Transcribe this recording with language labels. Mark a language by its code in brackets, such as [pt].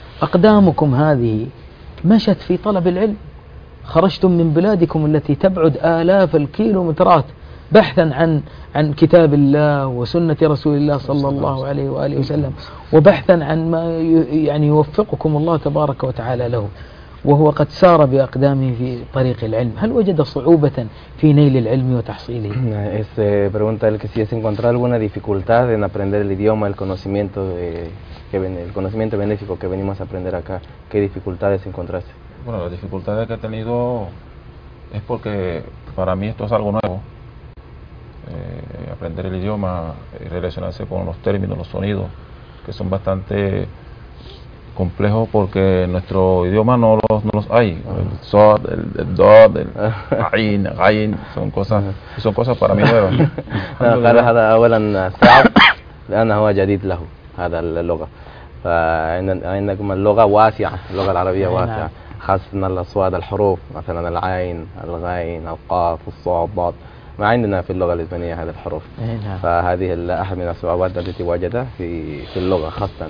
[ar] أقدامكم هذه مشت في طلب العلم، خرجتم من بلادكم التي تبعد آلاف الكيلومترات بحثا عن كتاب الله وسنة رسول الله صلى الله عليه وآله وسلم، وبحثا عن ما يعني يوفقكم الله تبارك وتعالى له، وهو قد سار بأقدامه في طريق العلم، هل وجد صعوبة في نيل العلم وتحصيله؟ [es] Este pregunta el que si has encontrado alguna dificultad en aprender el idioma, el conocimiento que ven, el conocimiento benéfico que venimos a aprender acá, ¿qué dificultades encontraste? Bueno, las dificultades que he tenido es porque para mí esto es algo nuevo. Aprender el idioma y relacionarse con los términos, los sonidos, que son bastante complejos porque nuestro idioma no los hay. El sod, el dod, el ain, gain, son cosas para mí nuevas. [ar] Claro, هذا أولا صعب لأن هو جديد له هذا اللغة. فعندكم اللغة واسعة، اللغة العربية واسعة. خاصة الأصوات الحروف مثلا العين، الغين، القاف، الصاد، الضاد. ما عندنا في اللغة الإسبانية هذه الحروف، فهذه أحد من الصعوبات التي واجهتها في اللغة خاصة.